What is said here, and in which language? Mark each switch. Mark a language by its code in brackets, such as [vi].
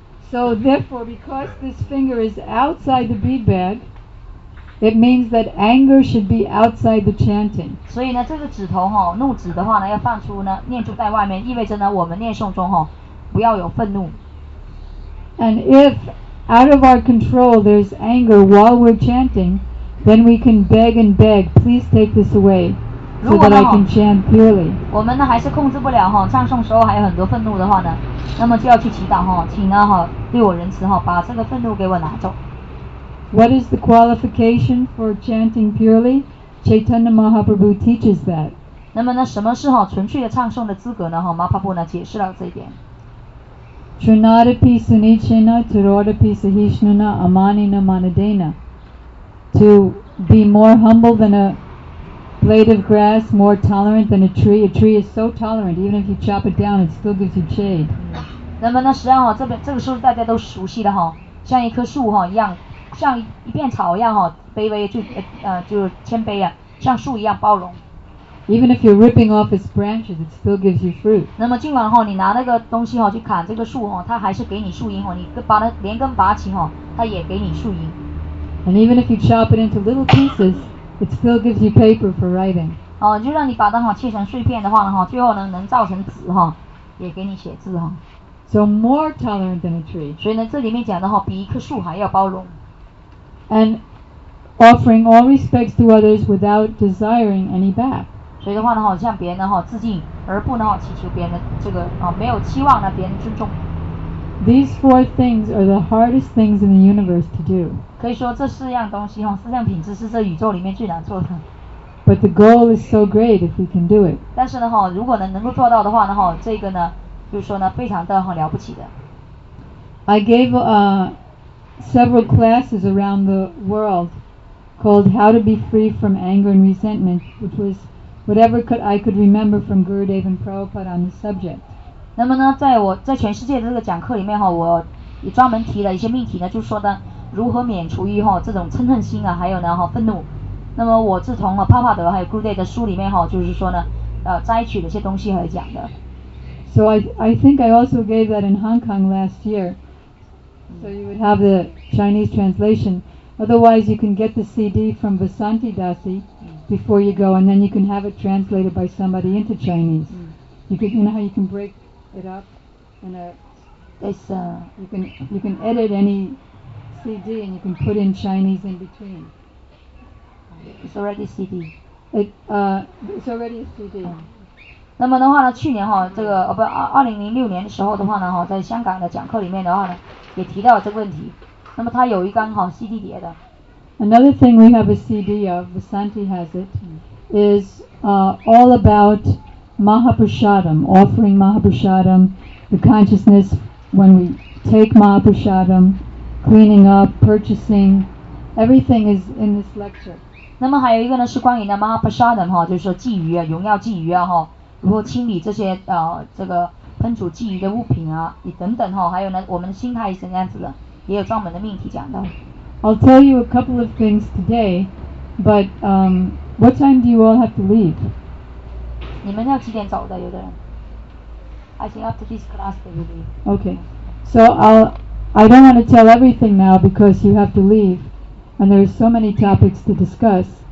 [en] So therefore, because this finger is outside the bead bag, it means that anger should be outside the chanting. [zh] 所以呢，这个指头哈，怒指的话呢，要放出呢，念珠在外面，意味着呢，我们念诵中哈，不要有愤怒。 [en] And if out of our control there's anger while we're chanting, then we can beg and beg, please take this away, so that I can chant purely. [zh] 我们呢还是控制不了哈，唱诵时候还有很多愤怒的话呢。那么就要去祈祷哈，请呢哈对我仁慈哈，把这个愤怒给我拿走。 [en] What is the qualification for chanting purely? Chaitanya Mahaprabhu teaches that. [zh] 那么呢，什么是哈纯粹的唱诵的资格呢？哈，马帕布呢解释了这一点。 [sa] Trinadapi sunichena, tirodapi sahishnuna, amanina manadena. [en] To be more humble than a blade of grass, more tolerant than a tree. A tree is so tolerant, even if you chop it down, it still gives you shade. [zh] 那么呢，实际上哈，这个是大家都熟悉的哈，像一棵树哈一样，像一片草一样哈，卑微就谦卑啊，像树一样包容。 [en] Even if you're ripping off its branches, it still gives you fruit. [zh] 那么尽管哈，你拿那个东西哈去砍这个树哈，它还是给你树荫哈，你把它连根拔起哈，它也给你树荫。 [en] And even if you chop it into little pieces. It still gives you paper for writing. [zh] 哦，就让你把它哈切成碎片的话呢，哈，最后呢能造成纸哈，也给你写字哈。 [en] So more tolerant than a tree. [zh] 所以呢，这里面讲的哈，比一棵树还要包容。 [en] And offering all respects to others without desiring any back. [zh] 所以的话呢，哈，向别人呢哈致敬，而不呢哈祈求别人的这个啊，没有期望呢别人尊重。 [en] These four things are the hardest things in the universe to do. [zh] 可以说这四样东西哈，四样品质是这宇宙里面最难做的。 [en] But the goal is so great if we can do it. [zh] 但是呢哈，如果呢能够做到的话呢哈，这个呢就是说呢非常的哈了不起的。 [en] I gave several classes around the world called How to Be Free from Anger and Resentment, which was whatever I could remember from Gurudev and Prabhupada on the subject. [zh] 那么呢，在我在全世界的这个讲课里面哈，我也专门提了一些命题呢，就是说的如何免除于哈这种嗔恨心啊，还有呢哈愤怒。那么我自从帕帕德还有 Gurudev 的书里面哈，就是说呢，摘取了一些东西来讲的。 [en] So I think I also gave that in Hong Kong last year, so you would have the Chinese translation. Otherwise, you can get the CD from Vasanti Dasi before you go, and then you can have it translated by somebody into Chinese. You know how you can break. It up and it's you can edit any CD and you can put in Chinese in between. It's already a CD. It's already a CD.、 [zh] 那么的话呢，去年哈，这个不2006年的时候的话呢，哈，在香港的讲课里面的话呢，也提到了这个问题。那么它有一张哈 CD 碟的。 [en] Another thing we have a CD of, Vasanti has it, is all about. Mahaprasadam, offering Mahaprasadam, the consciousness when we take Mahaprasadam, cleaning up, purchasing, everything is in this lecture. [zh] 那么还有一个呢，是关于呢 Mahaprasadam 哈，就是说寄语啊，荣耀寄语啊哈，如何清理这些这个喷主寄语的物品啊，等等哈，还有呢，我们的心态是怎样子的，也有专门的命题讲到。 [en] I'll tell you a couple of things today, but what time do you all have to leave? 你们要几点走的？有的人，I think after this class they will leave. Okay, so I don't want to tell everything now because you have to leave, and there are so many topics to discuss.